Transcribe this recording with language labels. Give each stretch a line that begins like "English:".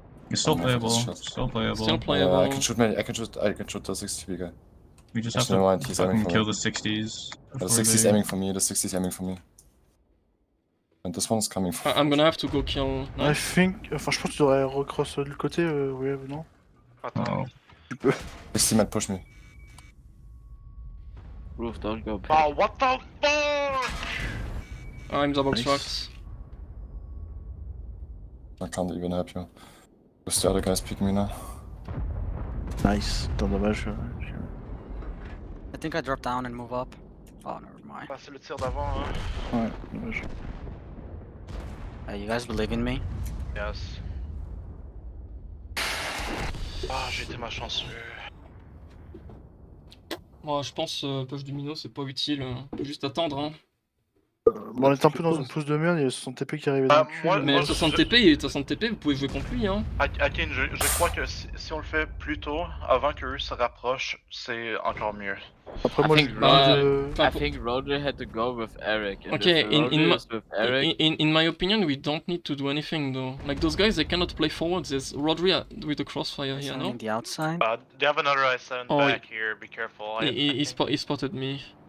English: It's still playable. Yeah, I can shoot the 60 guy. We just have to fucking kill the 60s. The 60's aiming for me, And this one's coming from... I'm gonna have to go kill... No. I think...
French: Enfin, je pense que tu devrais recross du côté, Ruev, non? Attends. Tu peux. Steamat,
English: push me. Ruev, don't go back. Oh, what the fuck? I'm double trucked. Nice. I can't even help you. Because the other guys pick me now. Nice. Don't know where sure. I think I drop down and move up. Oh, never mind.
French: Passer le tir d'avant, hein. Ouais, dommage. You guys believe in me? Yes. Ah, j'ai été malchanceux. Moi, je pense push du Mino, c'est pas utile. Juste attendre, hein. Bon, on était un peu dans une pousse de merde, il y a 60 TP qui arrivait dans le cul. Mais 60 TP, il est 60 TP, vous pouvez jouer contre lui, hein. Akin, je crois que si on le fait plus tôt, avant que eux se rapprochent, c'est encore mieux. Après, moi,
English: I think Rodri had to go with Eric. Okay, in my opinion, we don't need to do anything, though. Like, those guys, they cannot play forwards. There's Rodri with the crossfire here, no? The outside? They have another I7 back here, be careful. He spotted me.